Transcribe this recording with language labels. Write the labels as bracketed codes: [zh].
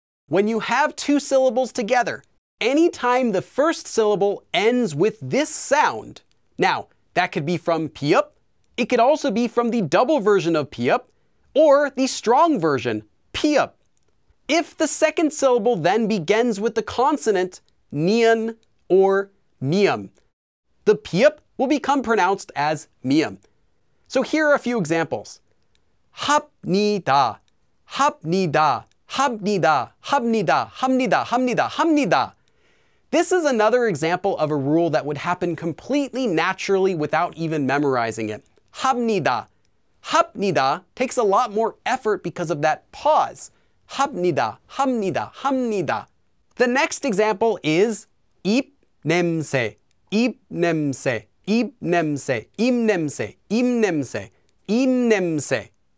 [en] When you have two syllables together, anytime the first syllable ends with this sound, now, that could be from 비읍, it could also be from the double version of 비읍, or the strong version, 비읍. If the second syllable then begins with the consonant, 니은 or 미음, the 비읍 will become pronounced as 미음. So here are a few examples. [ko] 합니다, 합니다, 합니다, 합니다, 합니다, 합니다, 합니다. [en] This is another example of a rule that would happen completely naturally without even memorizing it. [ko] 합니다. [en] 합니다 takes a lot more effort because of that pause. [ko] 합니다, 합니다, 합니다. [en] The next example is [ko] 입 냄새, 입 냄새, 입 냄새, 입 냄새, 입 냄새, 입 냄새.